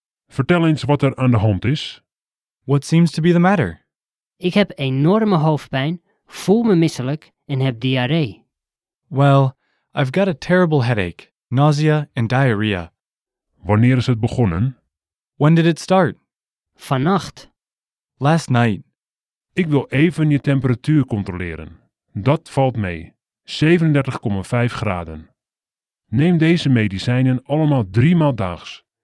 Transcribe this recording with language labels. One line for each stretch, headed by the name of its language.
Dutch: Vertel eens wat er aan de hand is.
English: What seems to be the matter?
Dutch: Ik heb enorme hoofdpijn, voel me misselijk en heb diarree.
English: Well, I've got a terrible headache, nausea and diarrhea.
Dutch: Wanneer is het begonnen?
English: When did it start?
Dutch: Vannacht.
English: Last night.
Dutch: Ik wil even je temperatuur controleren. Dat valt mee. 37,5 graden. Neem deze medicijnen allemaal 3 maal daags.